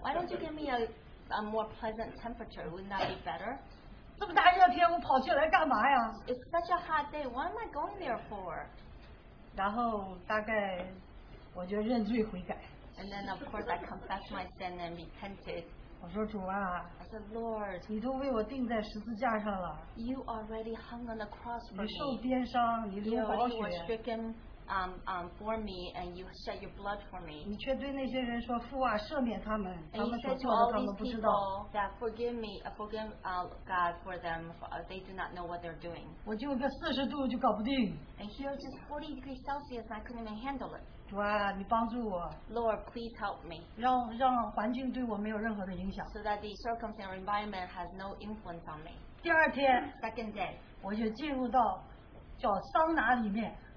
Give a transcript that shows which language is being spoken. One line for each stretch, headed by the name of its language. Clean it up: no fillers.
English: Why don't you give me a more pleasant temperature? Wouldn't that be better?
Chinese: 这么大热天我跑去来干嘛呀?
English: It's such a hot day. What am I going there for?
Chinese: 然后大概我就认罪悔改.
English: And then of course I confessed my sin and repented.
Chinese: 我说主啊,
English: I said, Lord,
Chinese: 你都为我钉在十字架上了,
English: you already hung on the cross for me.
Chinese: 你受鞭伤, 你流宝血,
English: you already were stricken for me and you shed your blood for me.
Chinese: 你却对那些人说, 父啊, 赦免他们,
English: and you said to all these people that forgive me, forgive God for them, for, they do not know what they're doing. And here just 40 degrees Celsius, I couldn't even handle it.
Chinese: 主啊,
English: Lord, please help me.
Chinese: 让环境对我没有任何的影响,
English: so that the circumstance or environment has no influence on me.
Chinese: 第二天,
English: second day,
Chinese: 我就进入到叫桑拿里面,